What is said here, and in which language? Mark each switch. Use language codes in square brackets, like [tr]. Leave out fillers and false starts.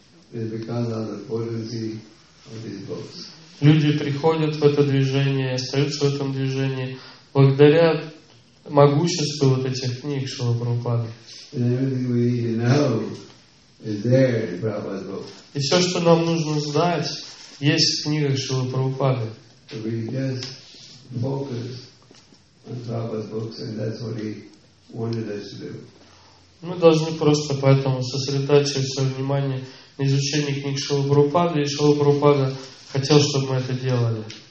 [en] It's because of the potency of these books. [ru] Люди приходят в это движение, остаются в этом движении благодаря могуществу вот этих книг Шрилы Прабхупады. [en] And everything we need to know is there in Prabhupada's book. [ru] И все, что нам нужно знать, есть в книгах Шрилы Прабхупады. [en] So we just focus on Prabhupada's books, and that's what he wanted us to do. [ru] Мы должны просто поэтому сосредоточить все внимание на изучении книг Шрилы Прабхупады, и Шрила Прабхупада хотел, чтобы мы это делали.